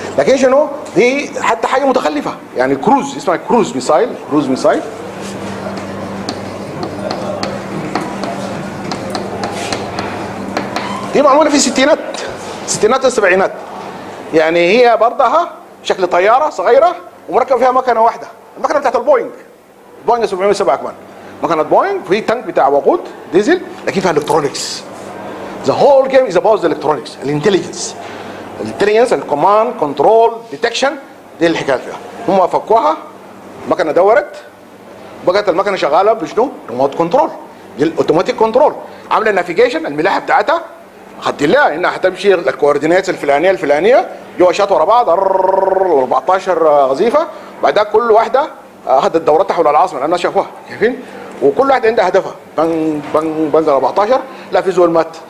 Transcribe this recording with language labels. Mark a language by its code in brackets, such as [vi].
[ar] لكن شنو دي حتى حاجه متخلفه يعني كروز اسمها كروز ميسايل, كروز ميسايل دي معموله في الستينات, ستينات والسبعينات يعني. هي برضها شكل طياره صغيره ومركب فيها مكنه واحده, المكنه بتاعت البوينج, بوينج 707 كمان مكنه بوينج, في تانك بتاع وقود ديزل لكن فيها الكترونكس. [en] The whole game is about the electronics, the intelligence. The intelligence, the command, control, detection, [ar] دي الحكاية فيها. هم فكوها, المكنة دورت, بقت المكنة شغالة بشنو؟ ريموت كنترول, دي الاوتوماتيك كنترول. عاملة النافيجيشن, الملاحة بتاعتها, خدت لها انها هتمشي الكوردينيتس الفلانية الفلانية, جوا شات ورا بعض 14 غزيفة, بعدها كل واحدة اخذت دورتها حول العاصمة, الناس شافوها, شايفين؟ وكل واحد عنده هدفها, بن بن بن 14, لا في زول مات.